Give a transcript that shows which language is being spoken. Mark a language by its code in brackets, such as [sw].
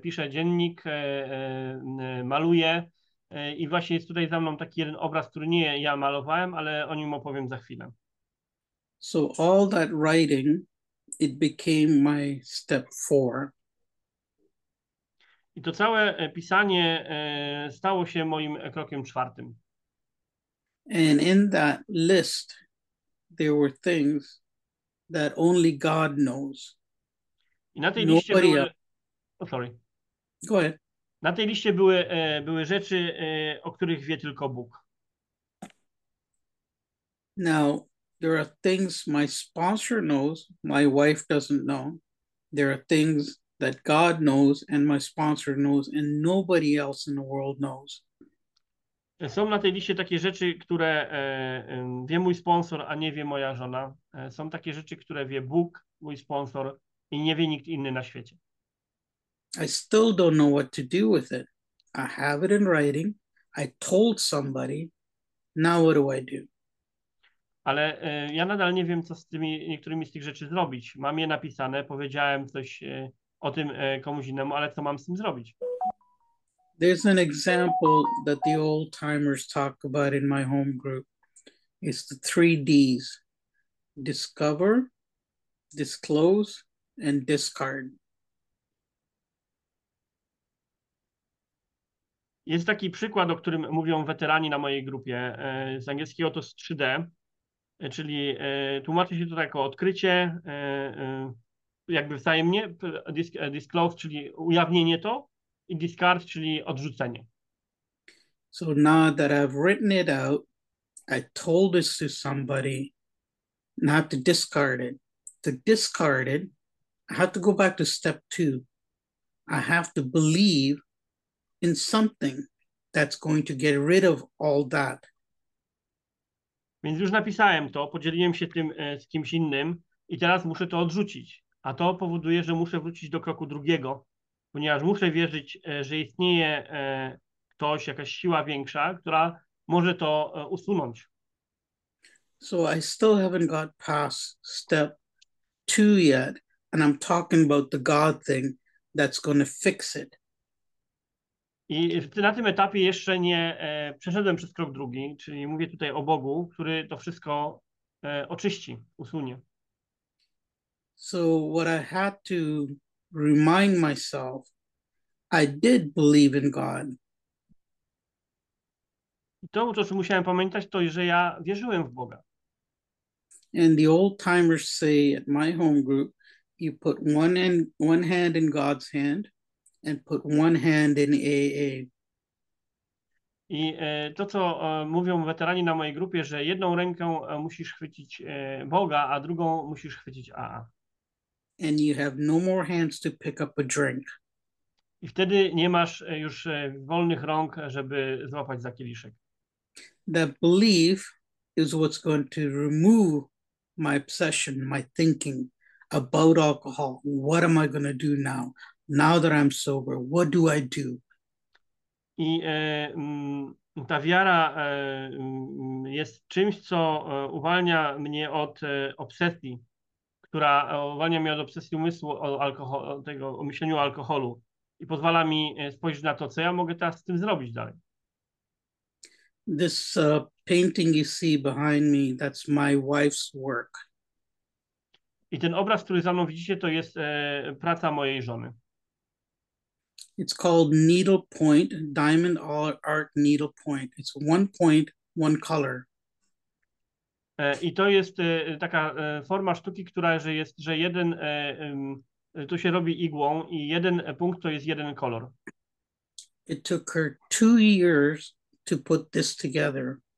[pl] Piszę dziennik, maluję i właśnie jest tutaj za mną taki jeden obraz, który nie ja malowałem, ale o nim opowiem za chwilę. [en] So all that writing, it became my step four. [pl] I to całe pisanie stało się moim krokiem czwartym. [en] And in that list, there were things that only God knows. [pl] I na tej [en] Nobody [pl] liście były. [en] Else. Oh, sorry. Go ahead. [pl] Na tej liście były rzeczy, o których wie tylko Bóg. [en] Now, there are things my sponsor knows, my wife doesn't know. There are things that God knows and my sponsor knows and nobody else in the world knows. [pl] Są na tej liście takie rzeczy, które wie mój sponsor, a nie wie moja żona. Są takie rzeczy, które wie Bóg, mój sponsor, i nie wie nikt inny na świecie. [en] I still don't know what to do with it. I have it in writing. I told somebody. Now what do I do? [pl] Ale ja nadal nie wiem, co z tymi niektórymi z tych rzeczy zrobić. Mam je napisane, powiedziałem coś o tym komuś innemu, ale co mam z tym zrobić? [en] There's an example that the old timers talk about in my home group. It's the three D's. Discover, disclose, and discard. [pl] Jest taki przykład, o którym mówią weterani na mojej grupie. Z angielskiego to z 3D. Czyli tłumaczy się to jako odkrycie, jakby wzajemnie, disclose, czyli ujawnienie to, i discard, czyli odrzucenie. [en] So now that I've written it out, I told this to somebody, not to discard it. To discard it, I have to go back to step two. I have to believe in something that's going to get rid of all that. [pl] Więc już napisałem to, podzieliłem się tym z kimś innym i teraz muszę to odrzucić. A to powoduje, że muszę wrócić do kroku drugiego, ponieważ muszę wierzyć, że istnieje ktoś, jakaś siła większa, która może to usunąć. [en] So I still haven't got past step two yet, and I'm talking about the God thing that's going to fix it. [pl] I na tym etapie jeszcze nie przeszedłem przez krok drugi, czyli mówię tutaj o Bogu, który to wszystko oczyści, usunie. [en] So what I had to remind myself, I did believe in God. [pl] I to, co musiałem pamiętać, to, że ja wierzyłem w Boga. [en] And the old timers say at my home group, you put one hand in God's hand and put one hand in AA. [pl] I to, co mówią weterani na mojej grupie, że jedną ręką musisz chwycić Boga, a drugą musisz chwycić AA. [en] And you have no more hands to pick up a drink. [pl] I wtedy nie masz już wolnych rąk, żeby złapać za kieliszek. [en] That belief is what's going to remove my obsession, my thinking about alcohol. What am I going to do now? Now that I'm sober, what do I do? [pl] I ta wiara jest czymś, co uwalnia mnie od obsesji, która uwalnia mnie od obsesji umysłu o alkoholu, tego o myśleniu o alkoholu i pozwala mi spojrzeć na to, co ja mogę teraz z tym zrobić dalej. [en] This painting you see behind me, that's my wife's work. [pl] I ten obraz, który za mną widzicie, to jest praca mojej żony. [en] It's called Needlepoint, Diamond Art Needlepoint. It's one point, one color. [pl] I to jest taka forma sztuki, która że jest, że jeden, to się robi igłą i jeden punkt to jest jeden kolor. [en] It took her 2 years to put this together.